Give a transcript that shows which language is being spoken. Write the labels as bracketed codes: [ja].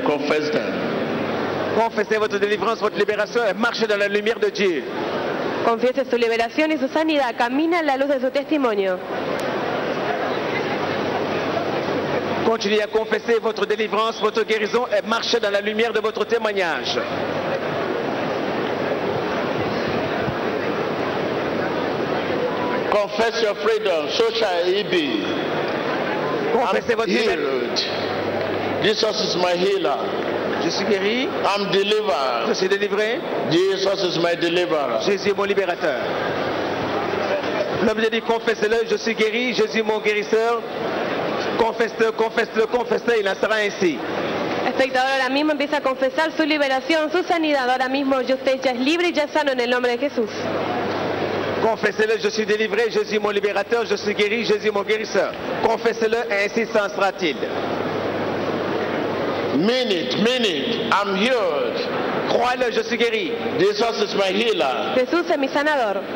[fr] Confessez votre délivrance, votre libération et marchez dans la lumière de Dieu. [es] Confiesse su liberación y su sanidad, camina en la luz de su testimonio. [fr] Continuez à confesser votre délivrance, votre guérison et marchez dans la lumière de votre témoignage. [en] Confess your freedom, so shall it be. [fr] Confessez votre [en] Jesus is my healer. [fr] Je suis guéri. [en] I'm delivered. [fr] Je suis délivré. [en] Jesus is my deliverer. [fr] Jésus est mon libérateur. L'homme lui dit, confesse-le, je suis guéri, Jésus mon guérisseur. Confesse-le, confesse-le, confesse-le, il en sera ainsi. [es] Espectador ahora mismo empieza a confesar su liberación, su sanidad. Ahora mismo usted ya es libre y ya sano en el nombre de Jesús. [fr] Confessez-le, je suis délivré, Jésus mon libérateur, je suis guéri, Jésus mon guérisseur. Confessez-le, ainsi s'en sera-t-il. [en] Minute, I'm healed. [fr] Crois-le, je suis guéri. [en] Jesus is my healer. [es] Jesús es mi sanador.